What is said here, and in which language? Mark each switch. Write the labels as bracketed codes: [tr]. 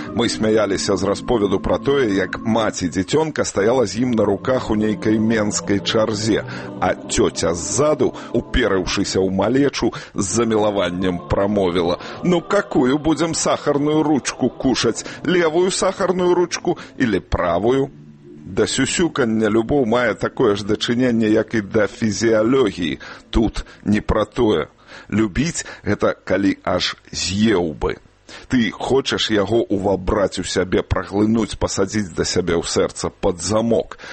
[be] Мы смяяліся з расповеду пра тое, як маці дзіцёнка стаяла з ім на руках у нейкай менскай чарзе, а тёця ззаду, уперыўшыся ў малечу, з замілаваннем прамовіла: [ru] «Ну, какую будзем сахарную ручку кушаць? Левую сахарную ручку или правую?» [be] Да сюсюкання любоў мае такое ж дачыненне, як і да фізіялогіі. Тут не пра тое. Любіць – гэта калі аж з'еў бы. Ты хочаш яго увабраць у сябе, праглынуць, пасадзіць да сябе ў сэрца пад замок.